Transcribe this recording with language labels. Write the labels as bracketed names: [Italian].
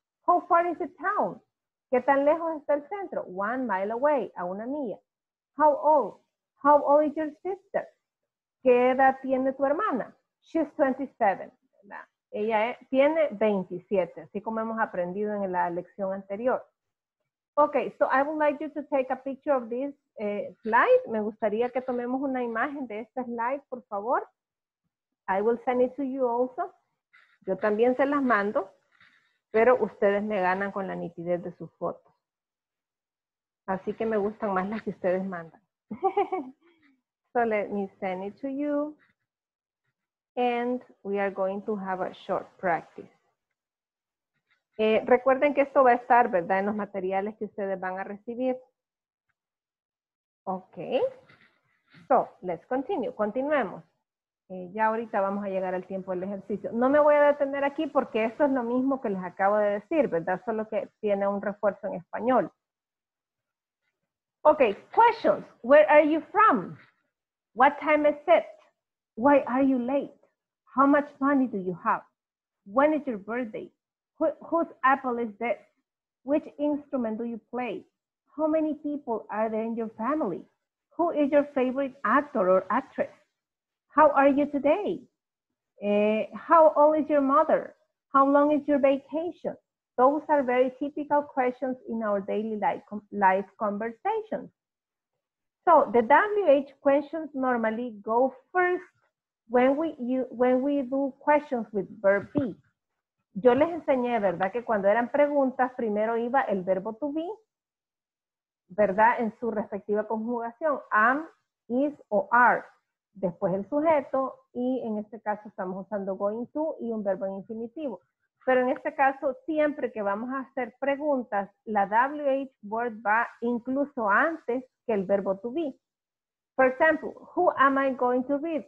[English] How far is the town? [Spanish] ¿Qué tan lejos está el centro? [English] 1 mile away, [Spanish] a una milla. [English] How old? How old is your sister? [Spanish] ¿Qué edad tiene tu hermana? [English] She's 27, [Spanish] ¿verdad? Ella tiene 27, así como hemos aprendido en la lección anterior. [English] Okay, so I would like you to take a picture of this slide. [Spanish] Me gustaría que tomemos una imagen de este slide, por favor. [English] I will send it to you also. [Spanish] Yo también se las mando, pero ustedes me ganan con la nitidez de sus fotos. Así que me gustan más las que ustedes mandan. [English] So let me send it to you. And we are going to have a short practice. [Spanish] Recuerden que esto va a estar, ¿verdad?, en los materiales que ustedes van a recibir. Okay. [English] So let's continue. [Spanish] Continuemos. Ya ahorita vamos a llegar al tiempo del ejercicio. No me voy a detener aquí porque esto es lo mismo que les acabo de decir, ¿verdad? Solo que tiene un refuerzo en español. Ok, questions. [English] Where are you from? What time is it? Why are you late? How much money do you have? When is your birthday? Whose apple is this? Which instrument do you play? How many people are there in your family? Who is your favorite actor or actress? How are you today? How old is your mother? How long is your vacation? Those are very typical questions in our daily life conversations. So the WH questions normally go first when we do questions with verb be. [Spanish] yo les enseñé, ¿verdad? Que cuando eran preguntas, primero iba el verbo to be, ¿verdad? En su respectiva conjugación, am, is o are. Después el sujeto, y en este caso estamos usando going to y un verbo en infinitivo. Pero en este caso, siempre que vamos a hacer preguntas, la WH word va incluso antes que el verbo to be. [English] For example, who am I going to read?